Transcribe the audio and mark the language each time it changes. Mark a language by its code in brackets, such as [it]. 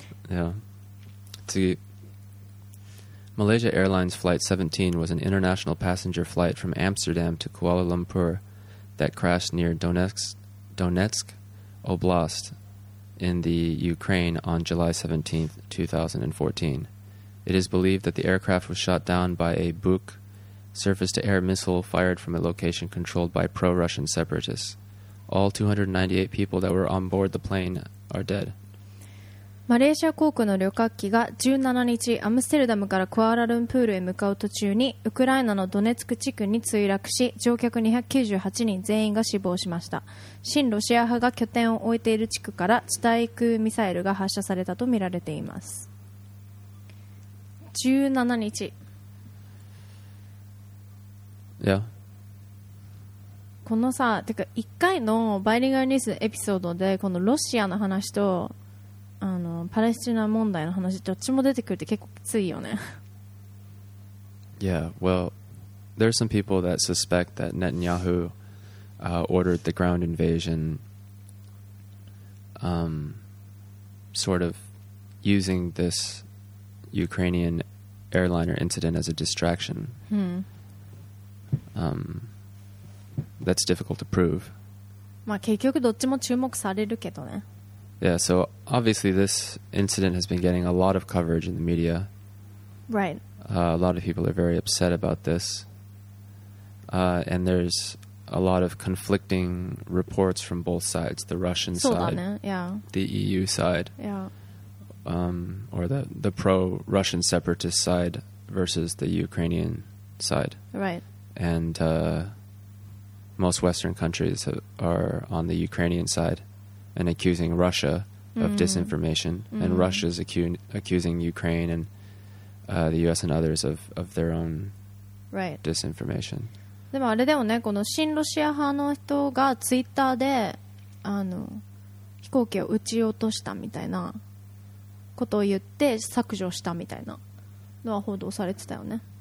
[en] Yeah. See... Malaysia Airlines Flight 17 was an international passenger flight from Amsterdam to Kuala Lumpur that crashed near Donetsk Oblast in the Ukraine on July 17, 2014. It is believed that the aircraft was shot down by a Buk surface-to-air missile fired from a location controlled by pro-Russian separatists. All 298 people that were on board the plane are dead. [ja] マレーシア航空の旅客機が17日アムステルダムからクアラルンプールへ向かう途中にウクライナのドネツク地区に墜落し乗客298人全員が死亡しました親ロシア派が拠点を置いている地区から地対空ミサイルが発射されたとみられています17日いやこのさ、てか1回のバイリンガルニュースエピソードでこのロシアの話とあのパレスチナ問題の話どっちも出てくるって結構きついよね。 [en] Yeah, well, there are some people that suspect that Netanyahu、ordered the ground invasion、sort of using this Ukrainian airliner incident as a distraction、 hmm. That's difficult to prove. [ja] まあ結局どっちも注目されるけどね。 [en] Yeah, so obviously this incident has been getting a lot of coverage in the media. Right. A lot of people are very upset about this. And there's a lot of conflicting reports from both sides. The Russian side. [ja] そうだね、yeah. [en] The EU side. Yeah. Or the pro-Russian separatist side versus the Ukrainian side. Right. And most Western countries are on the Ukrainian side. And accusing Russia of disinformation, mm. and Russia's accusing Ukraine and the U.S. and others of their own、 right. disinformation. [ja] でもあれでもね、この新ロシア派の人がツイッターで、あの、飛行機を撃ち落としたみたいなことを言って削除したみたいなのは報道されてたよね。